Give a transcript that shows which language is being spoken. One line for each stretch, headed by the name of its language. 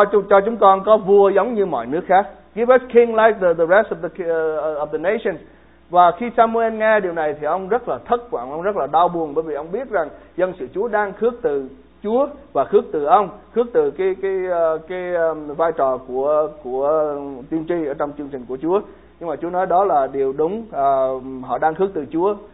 Vietnamese: Cho chúng con có vua giống như mọi nước khác.
English: Give us king like the rest of the nations.
Vietnamese: Và khi Samuel nghe điều này thì ông rất là thất vọng, ông rất là đau buồn, bởi vì ông biết rằng dân sự Chúa đang khước từ Chúa và khước từ ông, khước từ cái vai trò của tiên tri ở trong chương trình của Chúa. Nhưng mà Chúa nói đó là điều đúng, họ đang khước từ Chúa.